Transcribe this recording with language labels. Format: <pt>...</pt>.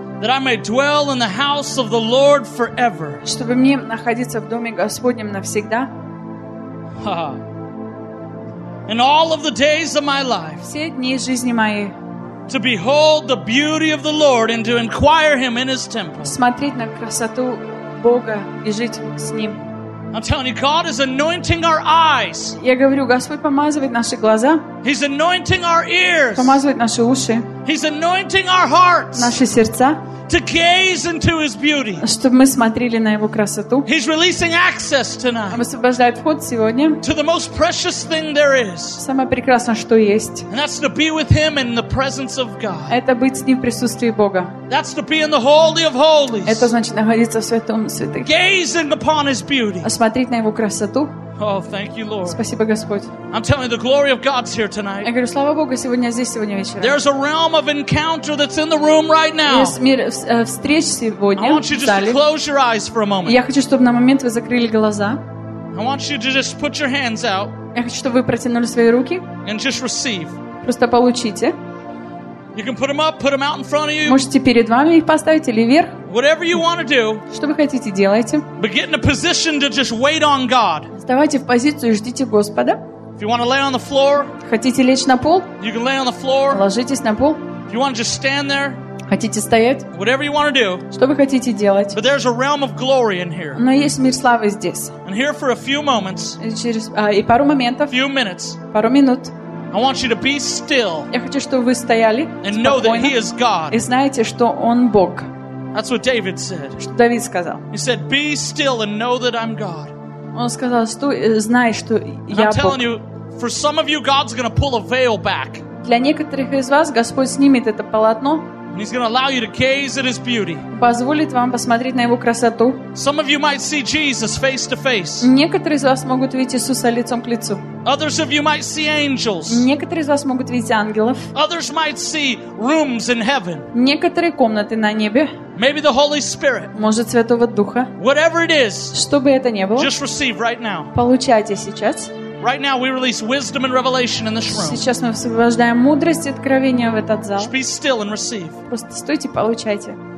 <en>That I may dwell in the house of the Lord forever.</en> <ru>Чтобы мне находиться в доме Господнем навсегда.</ru> <en>In all of the days of my life.</en> <ru>Все дни жизни моей.</ru> <en>To behold the beauty of the Lord and to inquire Him in His temple.</en> <ru>Смотреть на красоту Бога и жить с Ним.</ru> <en>I'm telling you, God is anointing our eyes.</en> <ru>Я говорю, Господь помазывает наши глаза.</ru> <en>He's anointing our ears.</en> <ru>Помазывает наши уши.</ru> <en>He's anointing our hearts.</en> <ru>Наши сердца.</ru> <en>To gaze into His beauty.</en> <ru>Чтобы мы смотрели на Его красоту.</ru> <en>He's releasing access tonight.</en> <ru>Он освобождает вход сегодня.</ru> <en>To the most precious thing there is.</en> <ru>Самое прекрасное, что есть.</ru> <en>And that's to be with Him in the presence of God.</en> <ru>Это быть с Ним в присутствии Бога.</ru> <en>That's to be in the holy of holies.</en> <ru>Это значит находиться в святом святых.</ru> <en>Gazing upon His beauty.</en> <ru>Смотреть на Его красоту.</ru> <en>Oh, thank you, Lord.</en> <ru>Спасибо, Господь.</ru> <en>I'm telling you, the glory of God's here tonight.</en> <ru>Я говорю, слава Богу, сегодня здесь, сегодня вечером.</ru> <en>There's a realm of encounter that's in the room right now.</en> <ru>Есть мир встреч сегодня.</ru> <en>I want you just to close your eyes for a moment.</en> <ru>Я хочу, чтобы на момент вы закрыли глаза.</ru> <en>I want you to just put your hands out.</en> <ru>Я хочу, чтобы вы протянули свои руки.</ru> <en>And just receive.</en> <ru>Просто получите.</ru> <en>You can put them up, put them out in front of you.</en> <ru>Можете перед вами их поставить или вверх.</ru> <en>Whatever you want to do.</en> <ru>Что вы хотите, делайте.</ru> <en>But get in a position to just wait on God.</en> <ru>Вставайте в позицию и ждите Господа.</ru> <en>If you want to lay on the floor.</en> <ru>Хотите лечь на пол?</ru> <en>You can lay on the floor.</en> <ru>Ложитесь на пол.</ru> <en>If you want to just stand there.</en> <ru>Хотите стоять?</ru> <en>Whatever you want to do.</en> <ru>Что вы хотите делать?</ru> <en>But there's a realm of glory in here.</en> <ru>Но есть мир славы здесь.</ru> <en>And here for a few moments.</en> <ru>И пару моментов.</ru> <en>Few minutes.</en> <ru>Пару минут.</ru> <en>I want you to be still.</en> <ru>Я хочу, чтобы вы стояли спокойно.</ru> <en>And know that He is God.</en> <ru>И знаете, что Он Бог.</ru> <en>That's what David said.</en> <ru>Что Давид сказал.</ru> <en>He said, "Be still and know that I'm God."</en> <ru>Он сказал, знай, что я Бог.</ru> <en>I'm telling you, for some of you, God's going to pull a veil back.</en> <ru>Для некоторых из вас Господь снимет это полотно.</ru> <en>And He's going to allow you to gaze at His beauty.</en> <ru>Позволит вам посмотреть на Его красоту.</ru> <en>Some of you might see Jesus face to face.</en> <ru>Некоторые из вас могут видеть Иисуса лицом к лицу.</ru> <en>Others of you might see angels.</en> <ru>Некоторые из вас могут видеть ангелов.</ru> <en>Others might see rooms in heaven.</en> <ru>Некоторые комнаты на небе.</ru> <en>Maybe the Holy Spirit.</en> <ru>Может, Святого Духа.</ru> <en>Whatever it is.</en> <ru>Что бы это ни было.</ru> <en>Just receive right now.</en> <ru>Получайте сейчас.</ru> <en>Right now we release wisdom and revelation in this room.</en> <ru>Сейчас мы освобождаем мудрость и откровение в этот зал.</ru> <en>Just be still and receive.</en> <ru>Просто стойте, получайте.</ru>